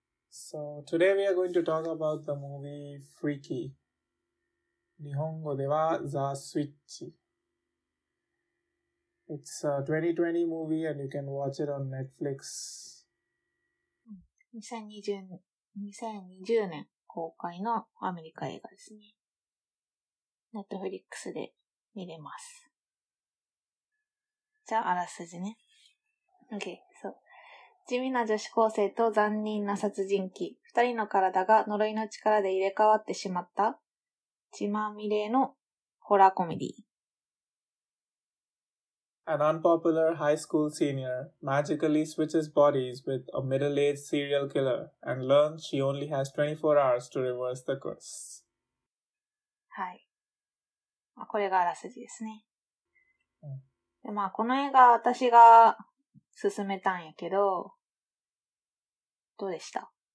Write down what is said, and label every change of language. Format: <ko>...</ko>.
<en>So today we are going to talk about the movie Freaky.</en> <ja>日本語では The Switch.</ja> <en>It's a 2020 movie and you can watch it on Netflix.</en> <ja>2020年公開のアメリカ映画ですね。 Netflix で見れます。じゃあ、あらすじね。</ja> <en>Okay, so.</en> <ja>地味な女子高生と残忍な殺人鬼。二人の体が呪いの力で入れ替わってしまった。血まみれのホラーコメディ。</ja> <en>An unpopular high school senior magically switches bodies with a middle-aged serial killer and learns she only has 24 hours to reverse the curse.</en> <ja>はい。まあ、これがあらすじですね。で、まあ、この映画私が勧めたんやけど、どうでした？</ja>